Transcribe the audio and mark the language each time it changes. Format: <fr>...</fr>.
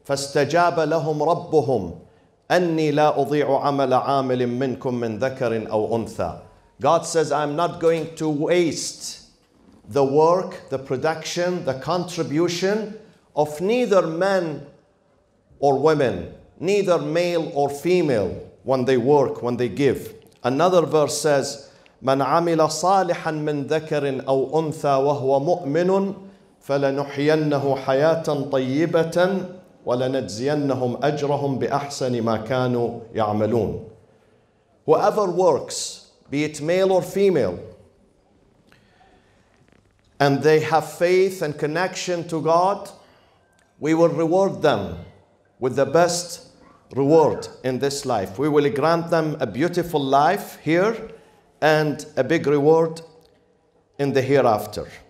<ar>فَاسْتَجَابَ لَهُمْ رَبُّهُمْ أَنِّي لَا أُضِيعُ عَمَلَ عَامِلٍ مِّنْكُمْ مِّنْ ذَكَرٍ أَوْ أُنْثَى.</ar> <en>God says, I'm not going to waste the work, the production, the contribution of neither men or women, neither male or female when they work, when they give. Another verse says,</en> <ar>مَنْ عَمِلَ صَالِحًا مِّنْ ذَكَرٍ أَوْ أُنْثَى وَهُوَ مُؤْمِنٌ فَلَنُحْيَنَّهُ حَيَاةً طَيِّبَةً وَلَنَجْزِيَنَّهُمْ أَجْرَهُمْ بِأَحْسَنِ مَا كَانُوا يَعْمَلُونَ.</ar> <en>Whoever works, be it male or female, and they have faith and connection to God, we will reward them with the best reward in this life. We will grant them a beautiful life here and a big reward in the hereafter.</en>